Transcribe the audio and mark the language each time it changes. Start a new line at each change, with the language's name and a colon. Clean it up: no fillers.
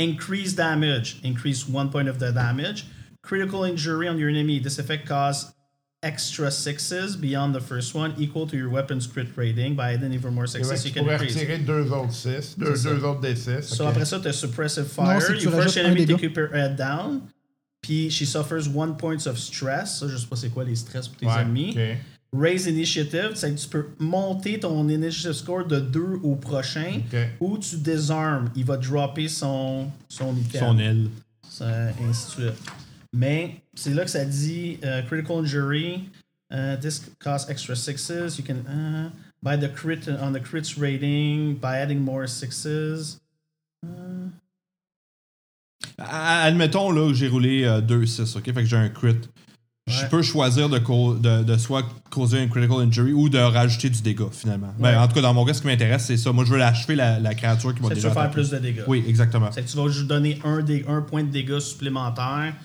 English: Increase damage. Increase 1 point of the damage. Critical injury on your enemy. This effect costs extra 6s beyond the first one, equal to your weapon's crit rating. By adding even more success, you can increase.
French: Tu pourrais retirer 2 autres 6. 2 autres des 6.
English: So okay.
French: Après ça, t'as suppressive fire. Non,
English: you first enemy to keep her head down.
French: Puis,
English: she suffers 1 point of stress.
French: Ça, je sais pas c'est quoi les stress pour tes ennemis. Okay.
English: Raise initiative.
French: C'est que tu peux monter ton initiative score de 2 au prochain. Okay. Ou tu disarm. Il va dropper son item. Son aile. Ça, ainsi de suite. Mais, c'est là que ça dit critical injury.
English: This costs extra 6s. You can buy the crit on the crits rating by adding more 6s.
French: Admettons là, j'ai roulé 2-6, OK? Fait que j'ai un crit. Je peux choisir de soit causer un critical injury ou de rajouter du dégât, finalement. Ouais. Ben, en tout cas, dans mon cas, ce qui m'intéresse, c'est ça. Moi, je veux l'achever, la créature qui m'a déjà. Tu veux faire plus de dégâts. Oui, exactement. C'est que tu vas juste donner un point de dégâts supplémentaire.